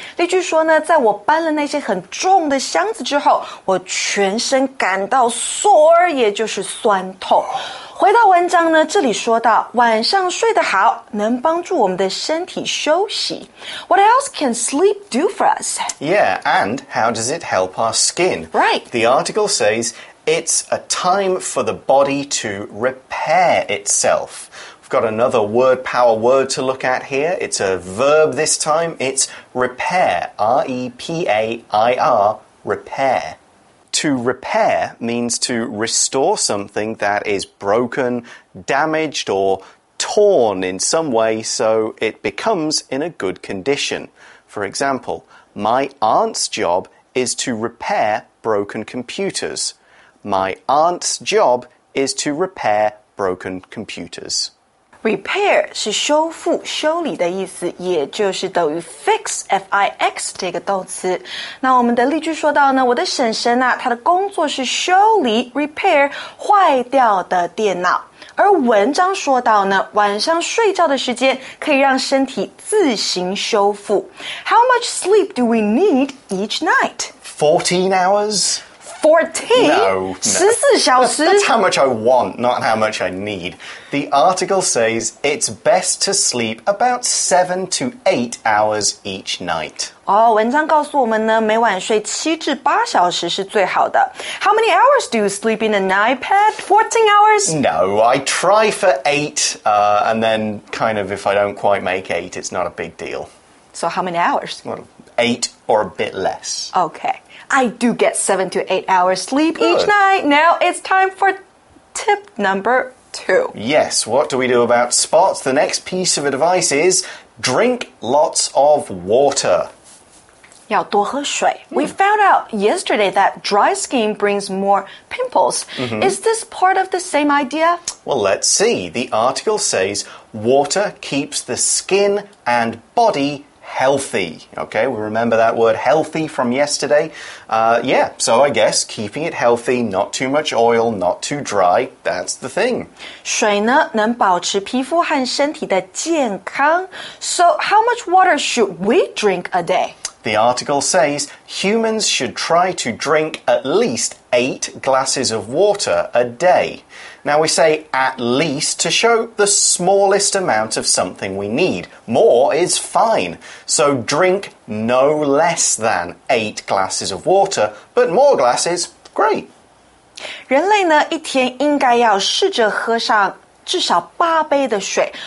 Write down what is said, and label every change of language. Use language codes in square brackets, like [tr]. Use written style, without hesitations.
[zh] 例句说呢，在我搬了那些很重的箱子之后，我全身感到 sore， 也就是酸痛。回到文章呢，这里说到晚上睡得好能帮助我们的身体休息。 [en] What else can sleep do for us? Yeah, and how does it help our skin? Right. The article says it's a time for the body to repair itself. Got another word power word to look at here. It's a verb this time. It's repair, R-E-P-A-I-R, repair. To repair means to restore something that is broken, damaged, or torn in some way so it becomes in a good condition. For example, my aunt's job is to repair broken computers. My aunt's job is to repair broken computers. [zh] Repair 是修复、修理的意思，也就是等于 fix, F-I-X 这个动词。那我们的例句说到呢，我的婶婶啊，她的工作是修理 repair 坏掉的电脑。而文章说到呢，晚上睡觉的时间可以让身体自行修复。 [en] How much sleep do we need each night? 14 hours? 14? No, no. [zh] 14小时? [en] That's how much I want, not how much I need. The article says it's best to sleep about 7 to 8 hours each night. [zh] 哦、oh, ，文章告诉我们呢，每晚睡7至8小时是最好的。 [en] How many hours do you sleep in an iPad? 14 hours? No, I try for 8, and then kind of if I don't quite make 8, it's not a big deal. So how many hours? Well, 8 or a bit less. Okay. I do get 7 to 8 hours sleep、Good. Each night. Now it's time for tip number 2. Yes, what do we do about spots? The next piece of advice is drink lots of water. [zh] 要多喝水、 [en] mm. We found out yesterday that dry skin brings more pimples.、Mm-hmm. Is this part of the same idea? Well, let's see. The article says water keeps the skin and body healthy. Okay, we remember that word healthy from yesterday. Yeah, so I guess keeping it healthy, not too much oil, not too dry, that's the thing. [zh] 水呢能保持皮肤和身体的健康。 [en] So how much water should we drink a day? The article says humans should try to drink at least 8 glasses of water a day. Now we say at least to show the smallest amount of something we need. More is fine. So drink no less than 8 glasses of water, but more glasses, great. [zh] 人类呢一天应该要试着喝上至少8杯的水。